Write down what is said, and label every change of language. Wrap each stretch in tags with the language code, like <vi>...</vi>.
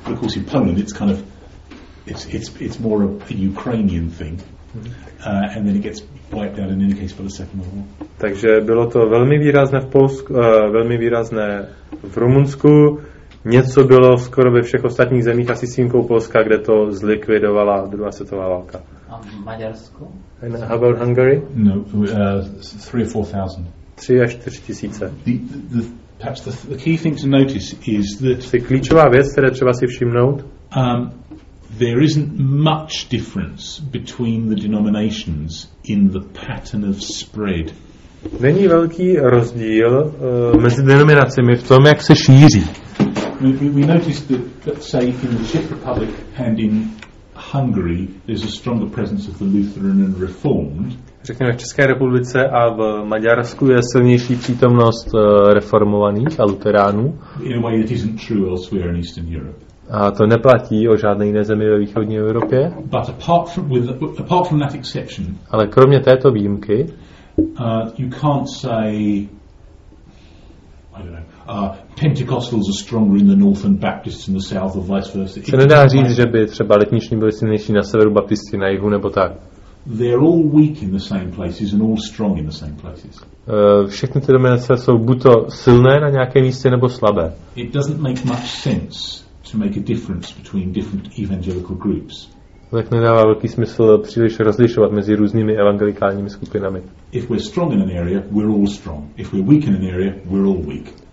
<en>Of course, in Poland, it's kind of It's more a Ukrainian thing, and then it gets wiped out in any case for the Second World War.</en> <cs>Takže bylo to velmi výrazné v Polsku, velmi výrazné v Rumunsku. Něco bylo skoro ve všech ostatních zemích, asi s výjimkou Polska, kde to zlikvidovala druhá světová válka. A Maďarsko?</cs> <en>And how about Hungary? No, 3 or 4 thousand.</en> <cs>3 až 4 tisíce.</cs> <en>Perhaps the key thing to notice is that.</en> <cs>Je klíčová věc, které třeba si všimnout.</cs> <en>There isn't much difference between the denominations in the pattern of spread.</en> <cs>Není velký rozdíl mezi denominacemi v tom, jak se šíří.</cs> <en>We noticed that, let's say, in the Czech Republic and in Hungary, there's a stronger presence of the Lutheran and Reformed.</en> <cs>Řekněme, v České republice a v Maďarsku je silnější přítomnost reformovaných a luteránů.</cs> <en>In a way that isn't true elsewhere in Eastern Europe.</en> <cs>A to neplatí o žádné jiné zemi ve východní Evropě.</cs> <en>But apart from that exception,</en> <cs>ale kromě této výjimky,</cs> <en>you can't say, I don't know, Pentecostals are stronger in the north and Baptists in the south or vice versa.</en> <cs>Se nedá říct, že by třeba letniční byli silnější na severu, baptisti na jihu nebo tak.</cs> <en>They're all weak in the same places and all strong in the same places.</en> <cs>Všechny ty dominace jsou buďto silné na nějakém místě nebo slabé.</cs> <en>It doesn't make much sense to make a difference between different evangelical groups.</en> <cs>Tak nedává velký smysl příliš rozlišovat mezi různými evangelikálními skupinami.</cs> <en>If we're strong in an area, we're all strong. If we're weak in an area, we're all weak.</en>